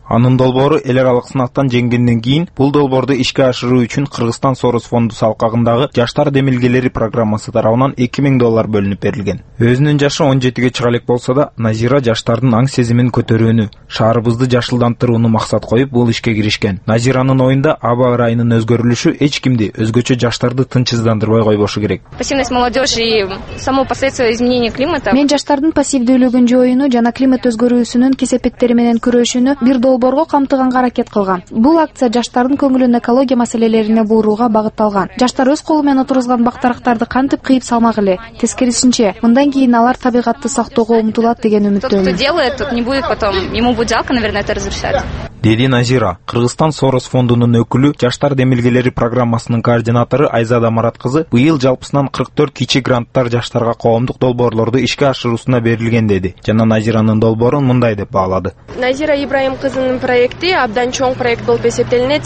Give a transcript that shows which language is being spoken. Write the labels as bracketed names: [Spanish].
[Kyrgyz] Анын долбоору эл аралык сынактан жеңгенден кийин бул долбоорду ишке ашыруу үчүн Кыргызстан Сорос фонду салкагындагы жаштар демилгелери программасы тарабынан $2000 бөлүнүп берилген. Өзүнүн жашы 17 чыга элек болсо да, Назира жаштардын аң сезимин көтөрүүнү, шаарыбызды жашылдантырууну максат коюп бул ишке киришкен. Назиранын оюнда аба ырайынын өзгөрүлүшү эч кимди, өзгөчө жаштарды тынчсыздандырбай койбошу керек. [Russian] Пассивность молодежи и само последствие изменения климата. [Kyrgyz] Мен жаштардын пассивдүүлүгүн жоюуну жана климат өзгөрүүсүнүн кесепеттери менен күрөшүүнү бир долбоорго камтыганга аракет кылган. Бул акция жаштардын көңүлүн экология маселелерине бурууга багытталган. Жаштар өз колу менен отургузган бак дарактарды кантип кыйып салмак эле? Тескерисинче, мындан кийин алар табигатты сактоого умтулат деген үмүттөмүн. [Russian] Тот, кто делает, тот не будет потом. Ему будет жалко, наверное, это разрушать. [Kyrgyz] Деди Назира, Кыргызстан Сорос фондунун өкүлү, жаштар демилгелери программасынын координатору Айзада Марат кызы быйыл жалпысынан 44 кичи гранттар жаштарга коомдук долбоорлорду ишке ашыруусуна берилген деди. Жана Назиранын долбоорун мындай деп баалады. Назира Ибраим кызынын проекти абдан чоң проект болуп эсептелинет.